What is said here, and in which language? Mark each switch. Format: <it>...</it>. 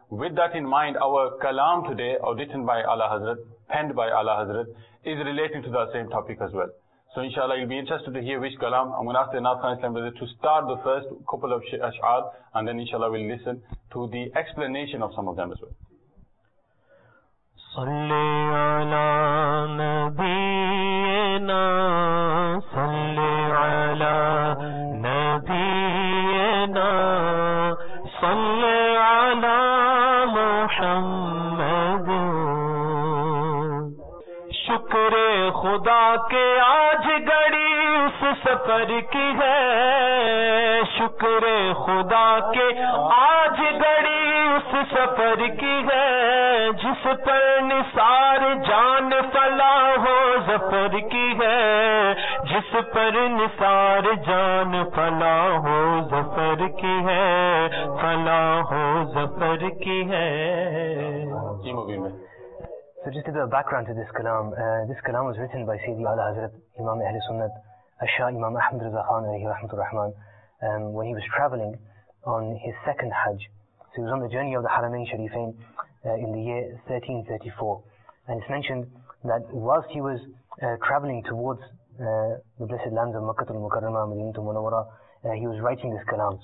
<en>With that in mind, our kalam today, or written by Ala Hazrat, penned by Ala Hazrat, is relating to that same topic as well. So inshallah, you'll be interested to hear which kalam. I'm going to ask the Naad Khan Islami brother to start the first couple of ash'ar, and then inshallah we'll listen to the explanation of some of them as well.</en> <ar>صلی علی نبینا, صلی علی نبینا, صلی علی محمد.</ar> <ur>شکر خدا کے آج گھڑی اس سفر کی ہے, شکر خدا کے آج گھڑی اس سفر کی ہے, جس پر نثار جان فلاح ہو ظفر کی ہے, جس پر نثار جان فلاح ہو ظفر کی ہے, فلاح ہو ظفر کی ہے.</ur> <en>So just a bit of background to this kalam was written by Sayyidi Ala Hazrat Imam Ahl Sunnat Ash-Shah Imam Ahmad Raza Khan alayhi rahmatur rahman, when he was traveling on his second Hajj. So he was on the journey of the Haramain Sharifain in the year 1334. And it's mentioned that whilst he was traveling towards the blessed lands of Makkah al-Mukarramah, Madinah al-Munawwarah, he was writing this kalam.</en>